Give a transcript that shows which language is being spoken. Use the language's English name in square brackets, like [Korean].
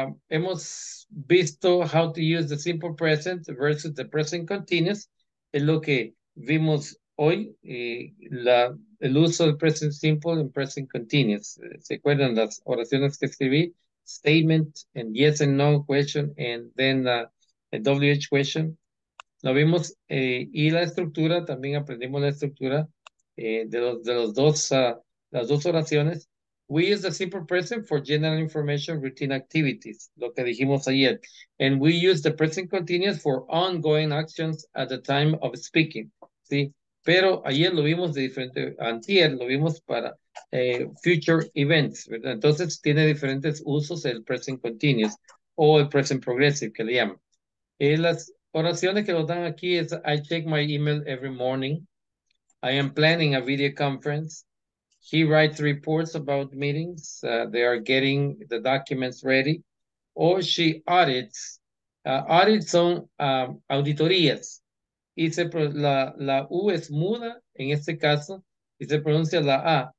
[Spanish] hemos visto [English] how to use the simple present versus the present continuous. [Spanish] Es lo que vimos hoy, el uso del present simple and present continuous. ¿Se acuerdan las oraciones que escribí? [English] Statement and yes and no question and then a WH question. [Spanish] Lo vimos y la estructura, también aprendimos la estructura de las dos oraciones. [English] We use the simple present for general information, routine activities, [Spanish] lo que dijimos ayer. [English] And we use the present continuous for ongoing actions at the time of speaking. [Spanish] ¿Sí? Pero ayer lo vimos de diferente, antier lo vimos para future events, ¿verdad? Entonces tiene diferentes usos el present continuous o el present progressive, que le llaman. Las oraciones que nos dan aquí es, [English] I check my email every morning. I am planning a video conference. He writes reports about meetings. They are getting the documents ready. Or she audits [Spanish] Audit son auditorías. Y se la U es muda, en este caso, y se pronuncia la A.